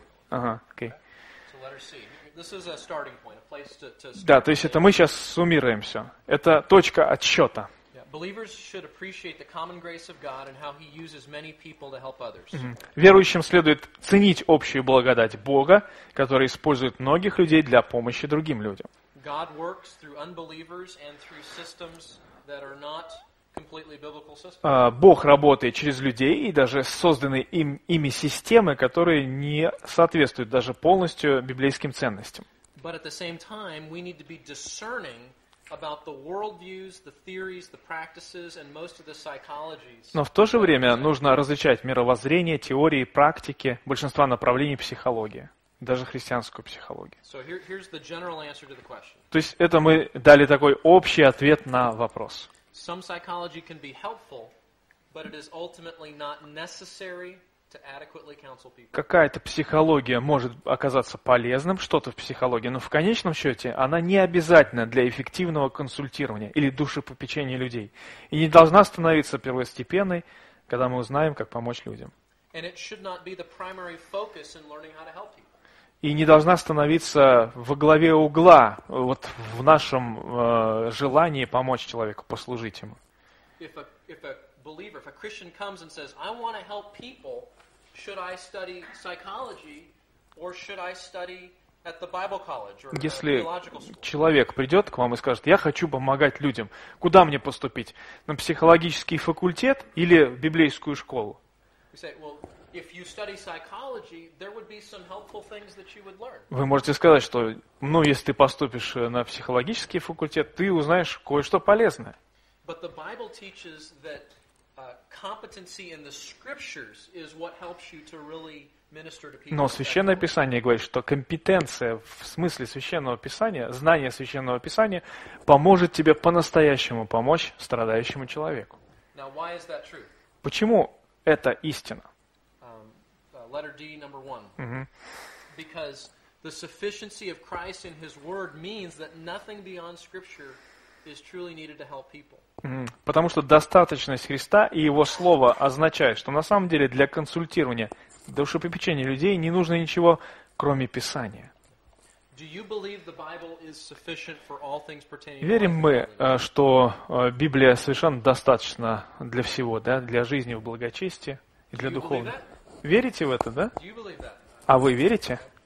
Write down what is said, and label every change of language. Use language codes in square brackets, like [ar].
[ru] Да, то есть это мы сейчас суммируем все. Это точка отсчета. Верующим следует ценить общую благодать Бога, который использует многих людей для помощи другим людям. [en] God works through unbelievers and through systems that are not completely biblical systems. [ru] Бог работает через людей и даже созданные ими системы, которые не соответствуют даже полностью библейским ценностям. [en] But at the same time, we need to be discerning about the worldviews, the theories, the practices, and most of the psychologies. [ru] Но в то же время нужно различать мировоззрение, теории, практики большинства направлений психологии, даже христианскую психологию. [en] So here's the general answer to the question. [ru] То есть это мы дали такой общий ответ на вопрос. [en] Some psychology can be helpful, but it is ultimately not necessary to adequately counsel people. [ru] Какая-то психология может оказаться полезным, что-то в психологии, но в конечном счете она не обязательна для эффективного консультирования или душепопечения людей и не должна становиться первостепенной, когда мы узнаем, как помочь людям. [en] And it should not be the primary focus in learning how to help people. [ru] И не должна становиться во главе угла вот в нашем желании помочь человеку, послужить ему. [en] If a Christian comes and says, I want to help people, should I study psychology or should I study at the Bible college or theological school? [ru] Если человек придет к вам и скажет, я хочу помогать людям, куда мне поступить, на психологический факультет или в библейскую школу? [en] We say, well, if you study psychology, there would be some helpful things that you would learn. [ru] Вы можете сказать, что, ну, если ты поступишь на психологический факультет, ты узнаешь кое-что полезное. [en] But the Bible teaches that competency in the scriptures is what helps you to really minister to people. [ru] Но Священное Писание говорит, что компетенция в смысле Священного Писания, знание Священного Писания поможет тебе по-настоящему помочь страдающему человеку. [en] Now, why is that true? [ru] Почему это истина? [en] Letter D, number one. Because the sufficiency of Christ in His Word means that nothing beyond Scripture is truly needed to help people. [ru] Потому что достаточность Христа и Его Слова означает, что на самом деле для консультирования, душепопечения людей не нужно ничего, кроме Писания. Верим мы, что Библия совершенно достаточна для всего, да, для жизни в благочестии и для духовного? Верите в это, да? А вы верите?